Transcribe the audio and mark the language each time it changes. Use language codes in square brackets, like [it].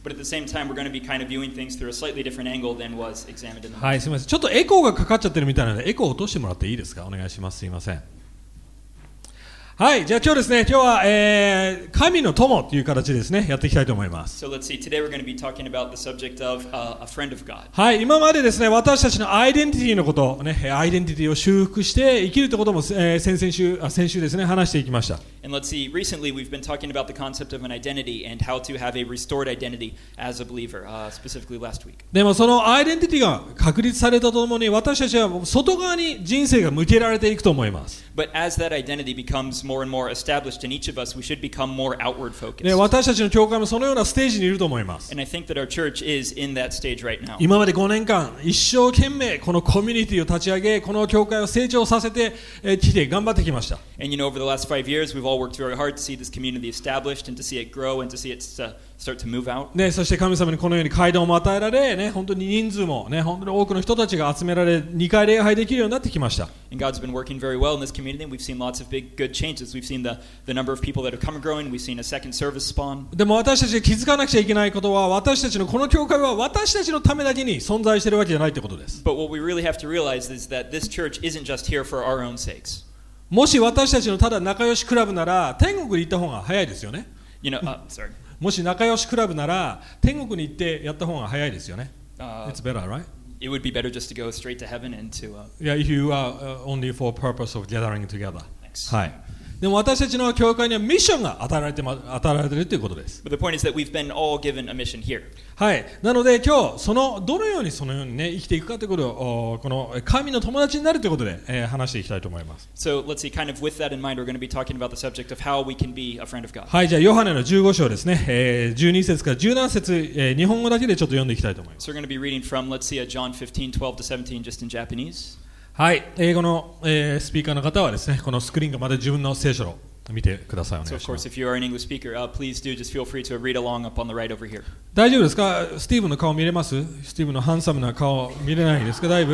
[en] But at the same time, we're going to be kind of viewing things through a slightly different angle than was examined in the morning. [ja] はい、すみません。ちょっとエコーがかかっちゃってるみたいなので、エコーを落としてもらっていいですか？お願いします。すみません。はい、じゃあ今日ですね、今日は、神の友という形ですね、やっていきたいと思います。 [en] So let's see, today we're going to be talking about the subject of a friend of God. [ja] はい、今までですね、私たちのアイデンティティのこと、ね、アイデンティティを修復して生きるということも、先週ですね、話していきました。 [en] And let's see, recently we've been talking about the concept of an identity and how to have a restored identity as a believer, specifically last week. [ja] でもそのアイデンティティが確立されたとともに、私たちは外側に人生が向けられていくと思います。 [en] But as that identity becomes more and more established in each of us, we should become more outward focused. [ja] ね、私たちの教会もそのようなステージにいると思います。 [en] And I think that our church is in that stage right now. [ja] 今まで5年間、一生懸命このコミュニティを立ち上げ、この教会を成長させて、来て頑張ってきました。 [en] And you know, over the last 5 years, we've all worked very hard to see this community established and to see it grow and to see it start to move out. [ja] ね、そして神様にこのように会堂も与えられ、ね、本当に人数も、ね、本当に多くの人たちが集められ、2回礼拝できるようになってきました。 [en] And God's been working very well in this community. We've seen lots of big good changes. We've seen the number of people that have come growing. We've seen a second service spawn. [ja] でも私たちが気づかなくちゃいけないことは、私たちのこの教会は私たちのためだけに存在しているわけじゃないということです。 [en] But what we really have to realize is that this church isn't just here for our own sakes. [ja] もし私たちのただ仲良しクラブなら、天国に行った方が早いですよね。 [en] You know, sorry. [ja] もし仲良しクラブなら、天国に行ってやった方が早いですよね。 [en] It's better, right? It would be better just to go straight to heaven and to... Yeah, if you are only for purpose of gathering together. Thanks. But the point is that we've been all given a mission here. [ja] はい。なので今日、どのようにそのようにね、生きていくかということを、この神の友達になるということで、話していきたいと思います。 [en] So let's see, kind of with that in mind, we're going to be talking about the subject of how we can be a friend of God. [ja] はい、じゃあヨハネの15章ですね、12節から17節、日本語だけでちょっと読んでいきたいと思います。 [en] So we're going to be reading from, let's see, John 15, 12 to 17, just in Japanese. [ja] はい、英語の、スピーカーの方はですね、このスクリーンがまだ自分の聖書を見てください。お願いします。 [en] So of course, if you are an English speaker, please do just feel free to read along up on the right over here. [ja] 大丈夫ですか？スティーブの顔見れます？スティーブのハンサムな顔見れないですか？だいぶ？